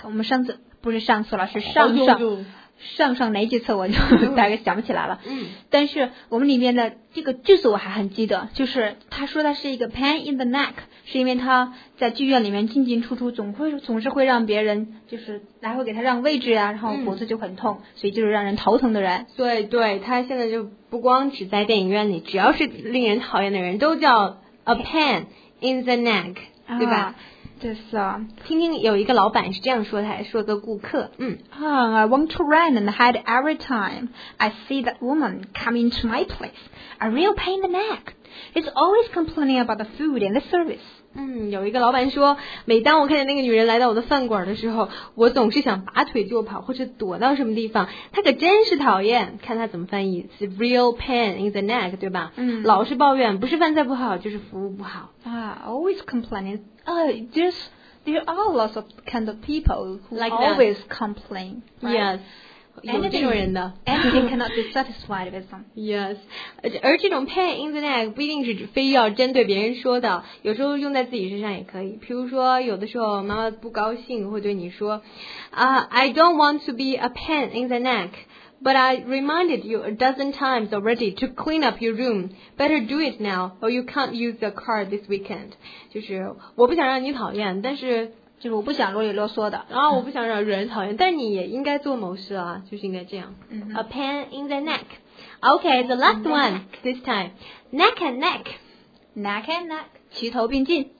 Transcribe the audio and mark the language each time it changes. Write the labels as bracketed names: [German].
[Chinese] 我们上次不是上次了，是上上。上上哪句词我就大概想不起来了、但是我们里面的这个句子我还很记得就是他说他是一个 pain in the neck 是因为他在剧院里面进进出出总是会让别人就是来回给他让位置啊然后脖子就很痛、所以就是让人头疼的人对对他现在就不光只在电影院里只要是令人讨厌的人都叫 a pain in the neck 对吧、 [English] Yes, sir. [Chinese] 听听有一个老板是这样说的，说个顾客， [English] I want to run and hide every time I see that woman coming to my place. A real pain in the neck. It's always complaining about the food and the service. [Chinese] 有一个老板说，每当我看见那个女人来到我的饭馆的时候，我总是想拔腿就跑，或者躲到什么地方。她可真是讨厌，看她怎么翻译，是 real pain in the neck, 对吧？老是抱怨，不是饭菜不好，就是服务不好。 [English] Always complaining. There are lots of kind of people who like always that. complain.、Right? Yes. Anything cannot be satisfied with them. Yes. [Chinese] 而这种 pain in the neck 不一定是非要针对别人说的，有时候用在自己身上也可以。比如说，有的时候妈妈不高兴会对你说， [English] I don't want to be a pain in the neck, but I reminded you a dozen times already to clean up your room. Better do it now, or you can't use the car this weekend. [Chinese] 就是我不想让你讨厌但是就是我不想啰里啰嗦的然后我不想让人讨厌、但你也应该做某事啊就是应该这样、 [English] A pain in the neck OK the last one this time neck and neck neck and neck [Chinese] 齐头并进